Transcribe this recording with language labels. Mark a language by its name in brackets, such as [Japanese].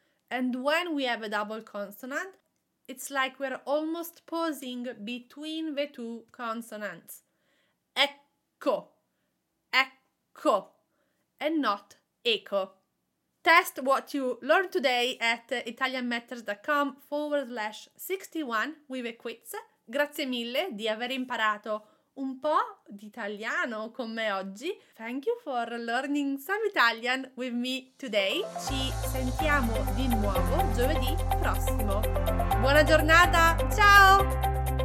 [English] And when we have a double consonant, it's like we're almost pausing between the two consonants. [Italian] Ecco, ecco, [English] and not echo. Test what you learned today at italianmatters.com/61 with a quiz. [Italian] Grazie mille di aver imparato un po' di italiano con me oggi. [English] Thank you for learning some Italian with me today. [Italian] Ci sentiamo di nuovo giovedì prossimo. Buona giornata, ciao!